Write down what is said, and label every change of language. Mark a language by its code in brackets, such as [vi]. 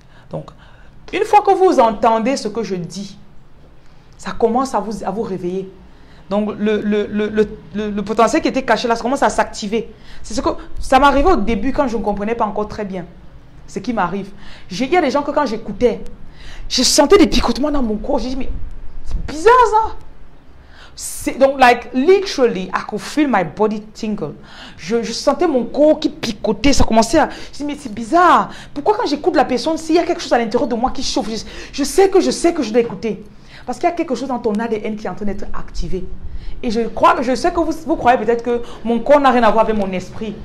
[fr] Donc, une fois que vous entendez ce que je dis, ça commence à vous réveiller. Donc, le potentiel qui était caché là, ça commence à s'activer. C'est ce que ça m'arrivait au début quand je ne comprenais pas encore très bien ce qui m'arrive. Il y a des gens que quand j'écoutais, je sentais des picotements dans mon corps. J'ai dit, mais c'est bizarre ça. C'est, donc, [en] like, literally, I could feel my body tingle. [fr] Je sentais mon corps qui picotait. Ça commençait à... Je me dis, mais c'est bizarre. Pourquoi quand j'écoute la personne, s'il y a quelque chose à l'intérieur de moi qui chauffe, je sais que je dois écouter. Parce qu'il y a quelque chose dans ton ADN qui est en train d'être activé. Et je sais que vous croyez peut-être que mon corps n'a rien à voir avec mon esprit.